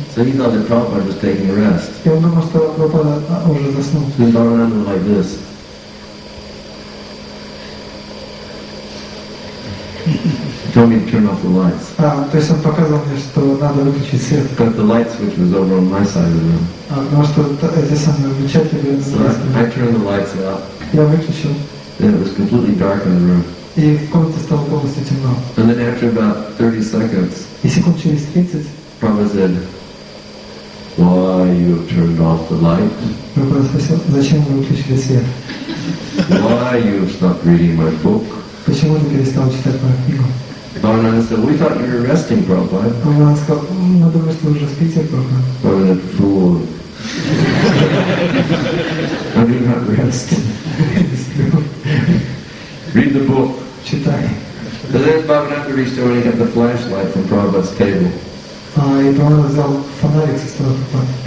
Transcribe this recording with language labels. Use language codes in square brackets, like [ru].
[en] So he thought that Prabhupada was taking a rest. [ru] Я думал, что Прабхупада уже заснул. [en] Then Bhavananda was like this. Told me to turn off the lights. [ru] То есть он показывал мне, что надо выключить свет. [en] But the light switch was over on my side of the room. [ru] Потому что эти самые выключатели. [en] I turned the lights out. [ru] Я выключил. [en] Then it was completely dark in the room. [ru] И в комнате стало полностью темно. [en] And then after about 30 seconds. [ru] И секунд через 30. [en] Prabhupada said, why you have turned off the light? [ru] Прабхупада спросил, зачем вы выключили свет? [en] Why you have stopped reading my book? [ru] Почему ты перестал читать мою книгу? [en] Bhavananda said, we thought you were resting, Prabhupada. [ru] Бхавананда сказал, мы думали, что вы уже спите, Прабхупада. [en] Bhavananda said, fool. I do not rest. Read the book. [ru] Читай. [en] So then Bhavananda reached over and got the flashlight from Prabhupada's table. [ru] И Бхавананда взял фонарик со стороны Прабхупады.